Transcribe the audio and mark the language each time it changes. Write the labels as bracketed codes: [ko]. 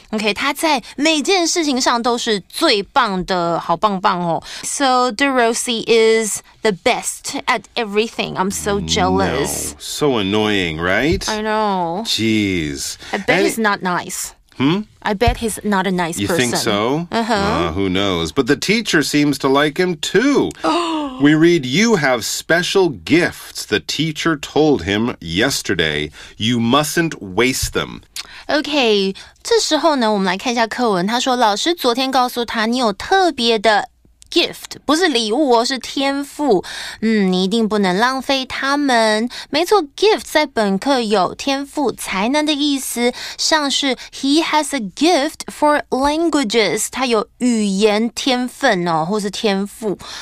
[zh] Okay, 他在每件事情上都是最棒的好棒棒哦。 [en] So De Rossi is the best at everything. I'm so jealous. No, so annoying, right? I know. Jeez. I bet he's not nice. I bet he's not a nice person. You think so? Uh-huh. Who knows? But the teacher seems to like him, too. We read, you have special gifts, the teacher told him yesterday. You mustn't waste them. [zh] Okay, 这时候呢，我们来看一下课文。他说，老师昨天告诉他，你有特别的gift, 不是礼物哦是天赋。你一定不能浪费他们。没错 ,gift 在本课有天赋才能的意思像是 [en] he has a gift for languages, [zh] 他有语言天分哦或是天赋。